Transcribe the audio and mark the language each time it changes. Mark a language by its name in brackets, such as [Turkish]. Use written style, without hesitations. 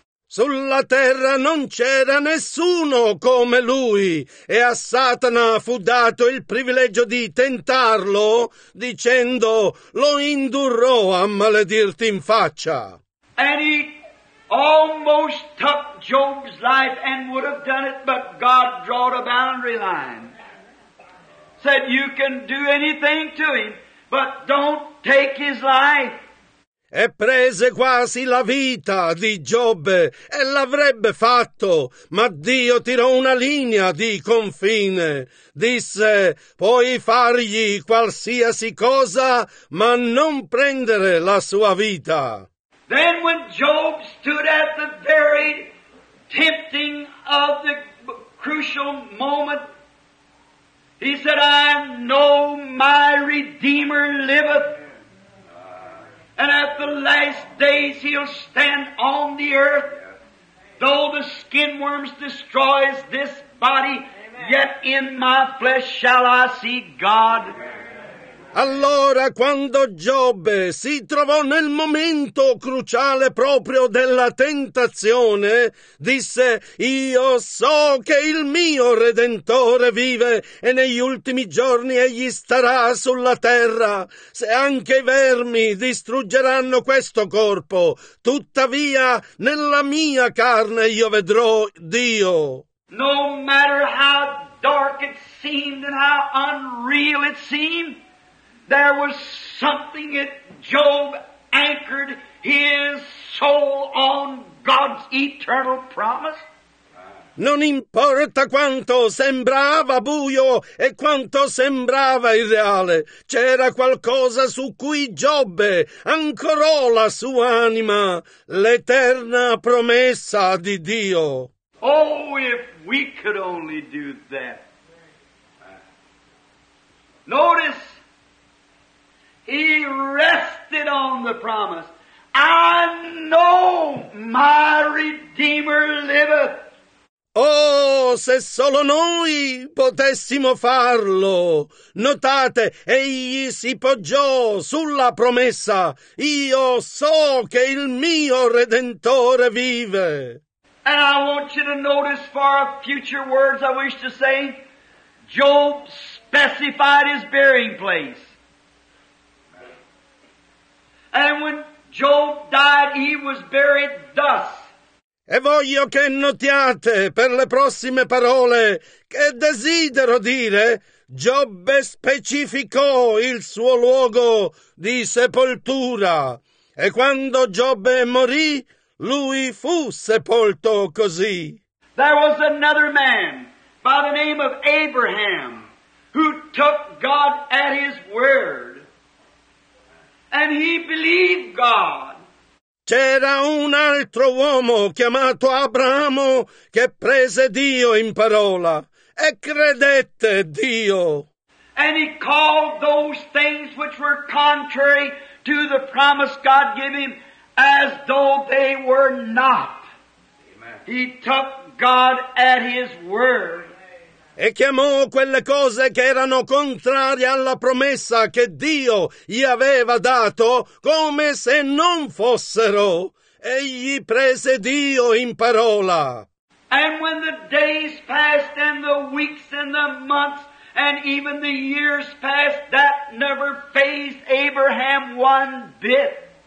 [Italian] Sulla terra non c'era nessuno come lui, e a Satana fu dato il privilegio di tentarlo, dicendo, lo indurrò a maledirti in faccia. [English] And he almost took Job's life and would have done it, but God drawed a boundary line. Said, you can do anything to him, but don't take his life. [Italian] E prese quasi la vita di Giobbe e l'avrebbe fatto, ma Dio tirò una linea di confine. Disse, puoi fargli qualsiasi cosa, ma non prendere la sua vita. [English] Then when Job stood at the very tempting of the crucial moment, he said, I know my Redeemer liveth. And at the last days he'll stand on the earth. Though the skin worms destroys this body, Amen. Yet in my flesh shall I see God. [Italian] Allora quando Giobbe si trovò nel momento cruciale proprio della tentazione, disse, io so che il mio Redentore vive e negli ultimi giorni egli starà sulla terra. Se anche i vermi distruggeranno questo corpo, tuttavia nella mia carne io vedrò Dio. [English] No matter how dark it seemed and how unreal it seemed, there was something that Job anchored his soul on God's eternal promise. [Italian] Non importa quanto sembrava buio e quanto sembrava irreale, c'era qualcosa su cui Giobbe ancorò la sua anima, l'eterna promessa di Dio. [English] Oh, if we could only do that. Notice, he rested on the promise. I know my Redeemer liveth. [Italian] Oh, se solo noi potessimo farlo. Notate, egli si poggiò sulla promessa. Io so che il mio Redentore vive. [English] And I want you to notice for our future words I wish to say, Job specified his burying place. And when Job died, he was buried thus. [Italian] E voglio che notiate per le prossime parole che desidero dire, Giobbe specificò il suo luogo di sepoltura. E quando Giobbe morì, lui fu sepolto così. [English] There was another man by the name of Abraham who took God at his word. And he believed God. [Italian] C'era un altro uomo chiamato Abramo che prese Dio in parola e credette Dio. [English] And he called those things which were contrary to the promise God gave him as though they were not. Amen. He took God at his word. [Italian] E chiamò quelle cose che erano contrarie alla promessa che Dio gli aveva dato come se non fossero. Egli prese Dio in parola. [English] And when the days passed and the weeks and the months and even the years passed, that never fazed Abraham one bit.